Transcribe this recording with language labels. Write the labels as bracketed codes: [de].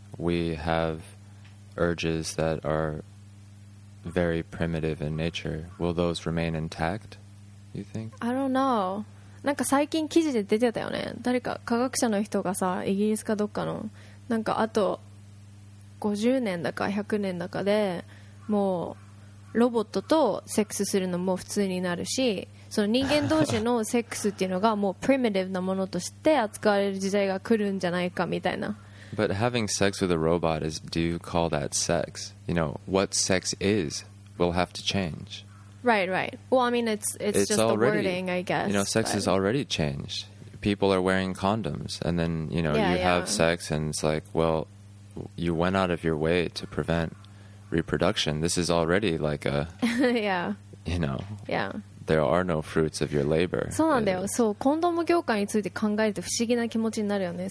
[en] We have urges that are very primitive in nature. Will those remain intact, you think? I don't know. [ja] なんか最近記事で出てたよね。誰か科学者の人がさ、イギリスかどっかの、なんかあと50年だか100年だかでもうロボットとセックスするのも普通になるし、その人間同士のセックスっていうのがもうプリミティブなものとして扱われる時代が来るんじゃないかみたいな。 [en] But having sex with a robot is, do you call that sex? You know, what sex is will have to change. Right, right. Well, I mean, it's just already, the wording, I guess. You know, sex has already changed. People are wearing condoms, and then, you know, have sex, and it's like, well, you went out of your way to prevent reproduction. This is already like a, you know, there are no fruits of your labor. [ja] そうなんだよ。そう、コンドーム業界について考えると不思議な気持ちになるよね。